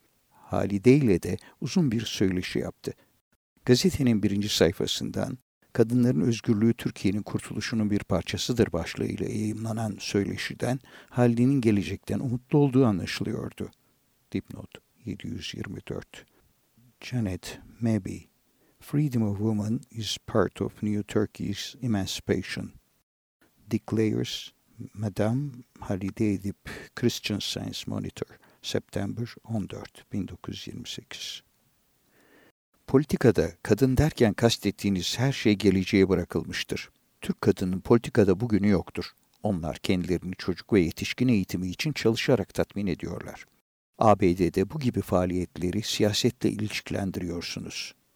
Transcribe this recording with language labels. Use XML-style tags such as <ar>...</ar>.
<tr>Halide ile de uzun bir söyleşi yaptı. Gazetenin birinci sayfasından "Kadınların özgürlüğü Türkiye'nin kurtuluşunun bir parçasıdır" başlığıyla yayımlanan söyleşiden Halide'nin gelecekten umutlu olduğu anlaşılıyordu. Dipnot 724. Janet Mabey,</tr> <en>Freedom of woman is part of New Turkey's emancipation, declares Madame Halide Edip, Christian Science Monitor, September 14, 1928.</en> <tr>Politikada kadın derken kastettiğiniz her şey geleceğe bırakılmıştır. Türk kadının politikada bugünü yoktur. Onlar kendilerini çocuk ve yetişkin eğitimi için çalışarak tatmin ediyorlar. ABD'de bu gibi faaliyetleri siyasetle ilişkilendiriyorsunuz.</tr>